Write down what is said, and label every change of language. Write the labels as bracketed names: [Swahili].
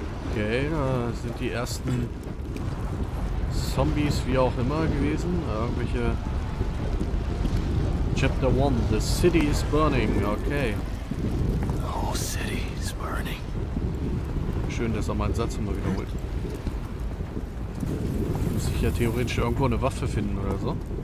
[German] Okay, da sind die ersten Zombies, wie auch immer, gewesen. Irgendwelche. [English] Chapter 1, The City is Burning. Okay. The whole city is burning. [German] Schön, dass er meinen Satz immer wiederholt. Muss ich ja theoretisch irgendwo eine Waffe finden oder so.